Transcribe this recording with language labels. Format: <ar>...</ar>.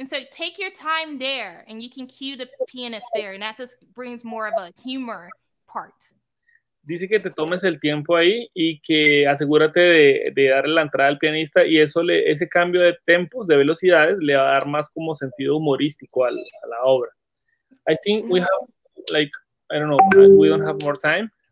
<en>Take your time there, and you can cue the pianist there, and that just brings more of a humor part.</en> <es>Dice que te tomes el tiempo ahí y que asegúrate de darle la entrada al pianista, y eso le, ese cambio de tempos, de velocidades, le va a dar más como sentido humorístico al, a la obra.</es> <en>I think we have, like, I don't know, we don't have more time.</en>